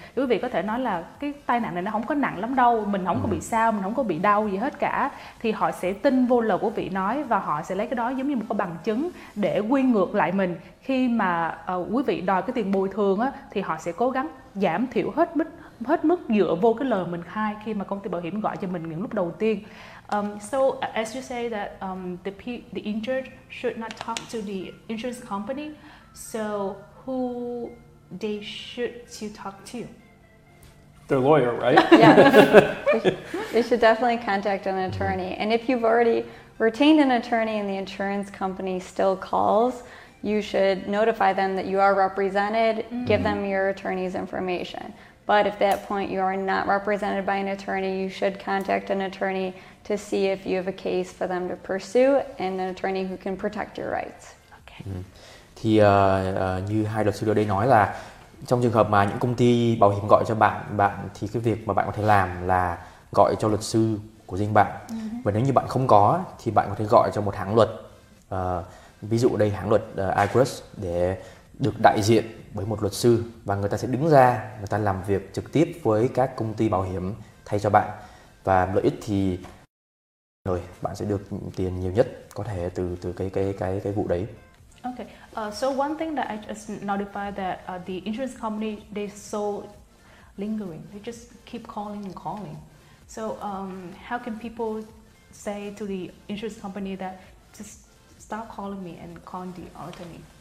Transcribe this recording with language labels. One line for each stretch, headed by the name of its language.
Vietnamese: Thì quý vị có thể nói là cái tai nạn này nó không có nặng lắm đâu, mình không có bị sao, mình không có bị đau gì hết cả. Thì họ sẽ tin vô lời quý vị nói, và họ sẽ lấy cái đó giống như một cái bằng chứng để quy ngược lại mình. Khi mà quý vị đòi cái tiền bồi thường á, thì họ sẽ cố gắng giảm thiểu hết mức dựa vô cái lời mình khai khi mà công ty bảo hiểm gọi cho mình những lúc đầu tiên.
English: So as you say that the injured should not talk to the insurance company, so who they should to talk to? Their lawyer, right? Yeah. They should definitely contact an attorney. Mm-hmm. And if you've already retained an attorney and the insurance company still calls, you should notify them that you are represented, mm-hmm. give them your attorney's information. But if at that point you are not represented by an attorney, you should contact an attorney to see if you have a case for them to pursue, and an attorney who can protect your rights. Okay. Mm-hmm.
Vietnamese: Thì như hai luật sư ở đây nói là trong trường hợp mà những công ty bảo hiểm gọi cho bạn thì cái việc mà bạn có thể làm là gọi cho luật sư của riêng bạn. Và nếu như bạn không có thì bạn có thể gọi cho một hãng luật, ví dụ đây hãng luật Agruss, để được đại diện bởi một luật sư, và người ta sẽ đứng ra, người ta làm việc trực tiếp với các công ty bảo hiểm thay cho bạn. Và lợi ích thì rồi bạn sẽ được tiền nhiều nhất có thể từ cái vụ đấy.
English: Okay, so one thing that I just notified that the insurance company, they're so lingering. They just keep calling and calling. So how can people say to the insurance company that just stop calling me and call the attorney?